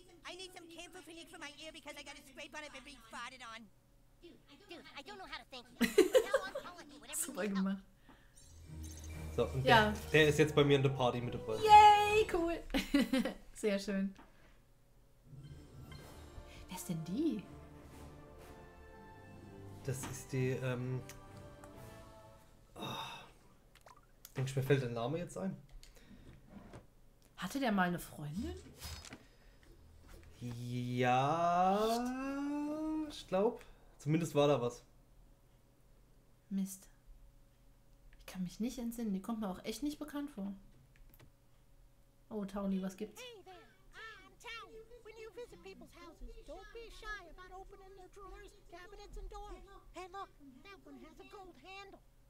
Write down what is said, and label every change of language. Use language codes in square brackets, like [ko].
[en] I need some camphor phoenix for my ear because I got a scrape on it and being farted on. Dude, I don't know how to thank you. [de] Super gemacht. So, und ja. Der ist jetzt bei mir in der Party mit dabei. Yay, cool. Sehr schön. Wer ist denn die? Das ist die, denkst du, mir fällt der Name jetzt ein? Hatte der mal eine Freundin? Ja, ich glaube. Zumindest war da was. Mist. Ich kann mich nicht entsinnen. Die kommt mir auch echt nicht bekannt vor. Oh, Tauni, was gibt's? [en] Hey there, I'm Tauni. When you visit people's houses, don't be shy about opening their drawers, cabinets and doors. Hey look, that one has a gold handle.